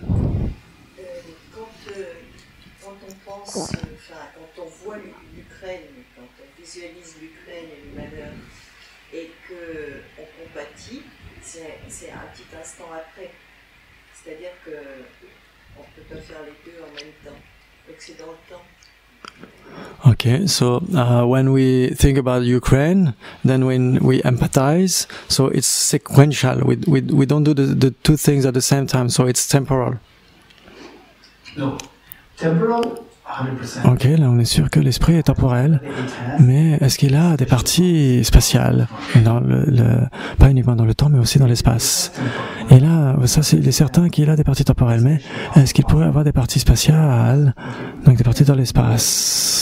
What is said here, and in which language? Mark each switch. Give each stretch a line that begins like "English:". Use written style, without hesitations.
French: Enfin, quand on voit l'Ukraine, quand on visualise l'Ukraine et le malheur, et qu'on compatit, c'est un petit instant après. C'est-à-dire qu'on ne peut pas faire les deux en même temps. Donc c'est dans le temps.
English: Okay, so when we think about Ukraine, then when we empathize, so it's sequential. We don't do the two things at the same time, so it's temporal. No. Temporal? 100%.
French: Ok, là on est sûr que l'esprit est temporel, mais est-ce qu'il a des parties spatiales, dans le, pas uniquement dans le temps, mais aussi dans l'espace? Et là, ça, c'est, il est certain qu'il a des parties temporelles, mais est-ce qu'il pourrait avoir des parties spatiales, donc des parties dans l'espace?